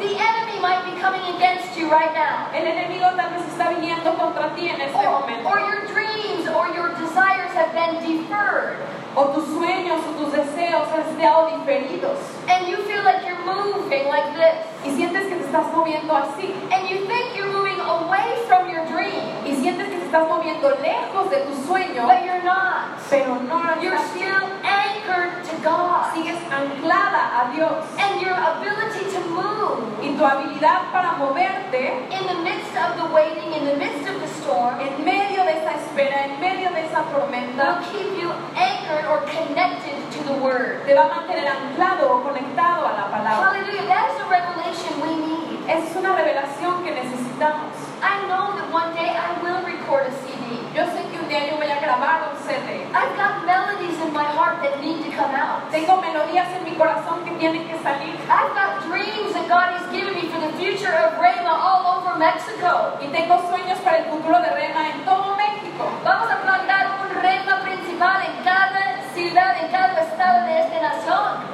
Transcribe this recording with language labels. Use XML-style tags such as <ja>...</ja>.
<en>The enemy might be coming against you right now.</en> <es>El enemigo tal vez está viniendo contra ti en este momento.</es> <en>Or your dreams or your desires have been deferred.</en> <es>O tus sueños o tus deseos han sido diferidos.</es> <en>And you feel like you're moving like this.</en> <es>Y sientes que te estás moviendo así.</es> <en>And you think you're moving away from your dream.</en> <es>Y sientes que te estás moviendo lejos de tu sueño.</es> <en>But you're not.</en> <es>Pero no eres</es> <en>así. You're still anchored to God.</en> <es>Sigues anclada a Dios.</es> <en>And your ability to move.</en> <es>Y tu habilidad para moverte.</es> <en>In the midst of the waiting, in the midst of the storm.</en> <es>En medio de esa espera, en medio de esa tormenta.</es> <en>Will keep you anchored or connected to the word.</en> <es>Te va a mantener anclado o conectado a la palabra.</es> <en>Hallelujah. That is the revelation we need.</en> <es>Es una revelación que necesitamos.</es> <en>I know that one day I will record a CD.</en> <es>Yo sé que un día yo voy a grabar un CD.</es> <en>I've got melodies in my heart that need to come out.</en> <es>Tengo melodías en mi corazón que tienen que salir.</es> <en>I've got dreams that God has given me for the future of Rhema all over Mexico.</en> <es>Y tengo sueños para el futuro de Rhema en todo México. Vamos a plantar un Rhema principal en cada ciudad, en cada estado de esta nación.</es>